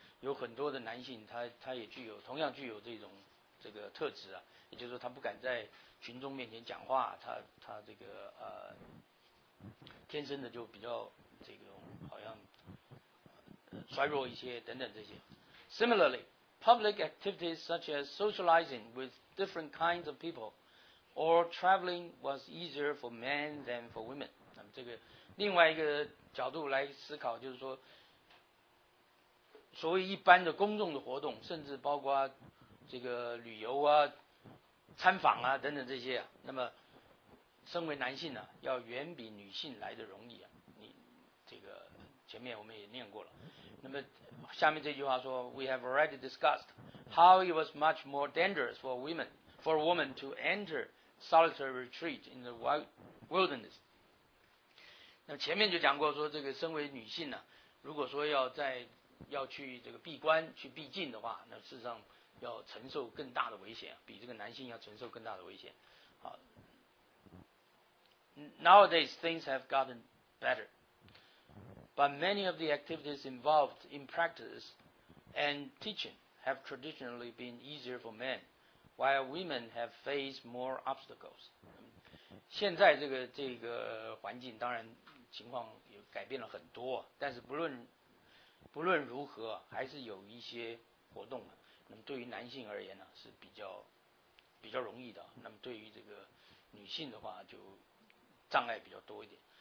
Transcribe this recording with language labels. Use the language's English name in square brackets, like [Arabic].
[Chinese] 有很多的男性他也具有同样具有这种这个特质啊，也就是说他不敢在群众面前讲话，他这个天生的就比较这种好像衰弱一些等等这些。 [English] Similarly, public activities such as socializing with different kinds of people or traveling was easier for men than for women. [Chinese] 那么这个另外一个角度来思考，就是说所谓一般的公众的活动，甚至包括这个旅游啊、参访啊等等这些啊，那么身为男性呢、啊、要远比女性来的容易啊。你这个前面我们也念过了，那么下面这句话说 [English] We have already discussed how it was much more dangerous for a woman to enter solitary retreat in the wilderness。 [Chinese] 那么前面就讲过说，这个身为女性呢、啊、如果说要去这个闭关去闭境的话，那事实上要承受更大的危险，比这个男性要承受更大的危险。 [English] 好， Nowadays things have gotten better, but many of the activities involved in practice and teaching have traditionally been easier for men, while women have faced more obstacles. [Chinese] 现在这个环境当然情况有改变了很多，但是不论如何还是有一些活动，那么对于男性而言呢是比较容易的，那么对于这个女性的话就障碍比较多一点。